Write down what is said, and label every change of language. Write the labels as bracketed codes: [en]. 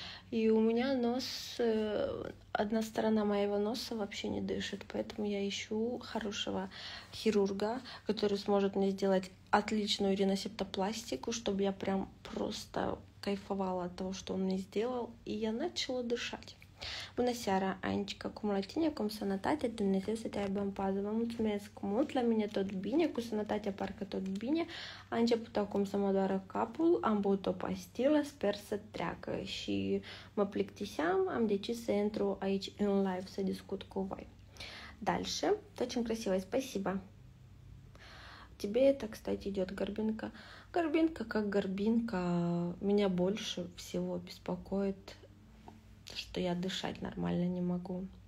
[ru] И у меня нос... Одна сторона моего носа вообще не дышит. Поэтому я ищу хорошего хирурга, который сможет мне сделать отличную риносептопластику, чтобы я прям просто кайфовала от того, что он мне сделал. И я начала дышать. [ro] Bună seara, Anica, cum la tine, cum sănătatea, Dumnezeu să te aibă în pază, vă mulțumesc mult, la mine tot bine, cu sănătatea parcă tot bine, a început acum să mă doară capul, am băut o pastilă, sper să treacă și mă plictiseam, am decis să intru aici în live să discut cu voi. [ru] Дальше, очень красиво, спасибо. Тебе это, кстати, идет горбинка. Горбинка как горбинка, меня больше всего беспокоит, что я дышать нормально не могу.